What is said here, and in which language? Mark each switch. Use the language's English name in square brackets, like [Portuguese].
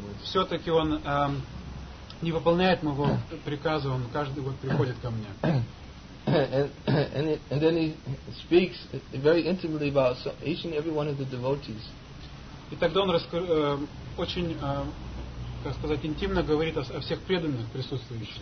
[Russian] все-таки он не выполняет моего приказа, он каждый год приходит ко мне. [English] And then he speaks very intimately about each and every one of the devotees. [Russian] И тогда он очень как сказать, интимно говорит о всех преданных присутствующих.